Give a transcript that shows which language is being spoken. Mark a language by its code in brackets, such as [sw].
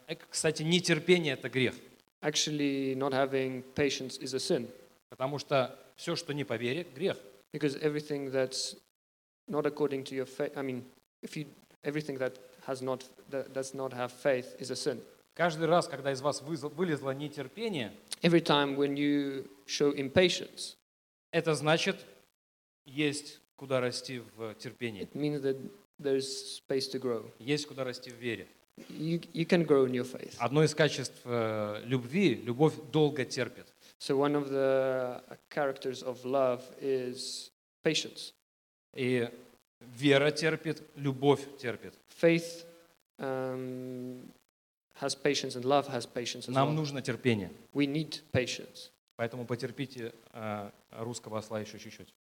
[ru] Кстати, нетерпение — это грех. [en] Actually, not having patience is a sin. [ru] Потому что все, что не по вере, грех. [en] Because everything that's not according to your faith, I mean, everything that has not, that does not have faith is a sin. [ru] Каждый раз, когда из вас вылезло нетерпение, [en] every time when you show impatience, [ru] это значит, есть куда расти в терпении. [en] It means that there's space to grow. [ru] Есть куда расти в вере. [en] You can grow in your faith. [ru] Одно из качеств любви — любовь долго терпит. [en] So one of the characters of love is patience. [ru] И вера терпит, любовь терпит. [en] Faith has patience and love has patience as [ru] Нам [en] well. [ru] Нужно терпение. [en] We need patience. [ru] Поэтому потерпите русского осла еще чуть-чуть.